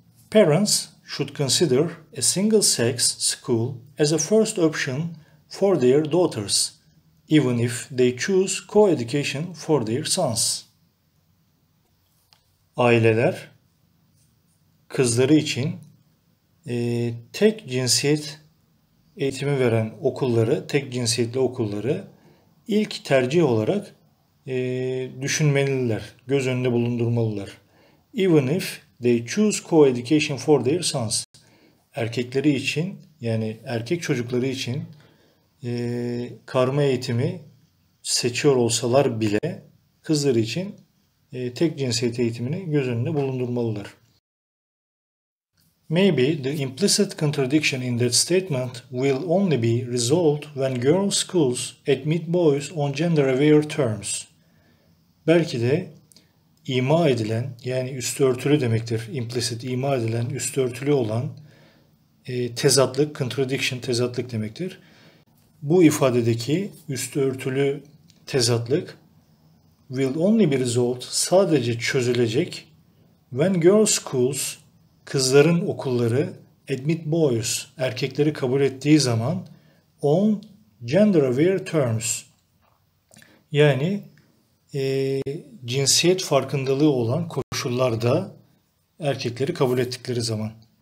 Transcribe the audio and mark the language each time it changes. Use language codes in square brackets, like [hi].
[en] Parents should consider a single-sex school as a first option for their daughters, even if they choose co-education for their sons. [tr] Aileler kızları için tek cinsiyet eğitimi veren okulları, tek cinsiyetli okulları ilk tercih olarak düşünmeliler, göz önünde bulundurmalılar. [en] Even if they choose co-education for their sons. [tr] Erkekleri için, yani erkek çocukları için karma eğitimi seçiyor olsalar bile kızlar için tek cinsiyet eğitimini göz önünde bulundurmalıdır. [en] Maybe the implicit contradiction in that statement will only be resolved when girls' schools admit boys on gender-aware terms. [tr] Belki de ima edilen, yani üstü örtülü demektir, implicit ima edilen, üstü örtülü olan tezatlık, contradiction tezatlık demektir. Bu ifadedeki üstü örtülü tezatlık [en] will only be resolved, [tr] sadece çözülecek [en] when girls' schools, [tr] kızların okulları [en] admit boys, [tr] erkekleri kabul ettiği zaman [en] on gender-aware terms, [tr] yani cinsiyet farkındalığı olan koşullarda erkekleri kabul ettikleri zaman.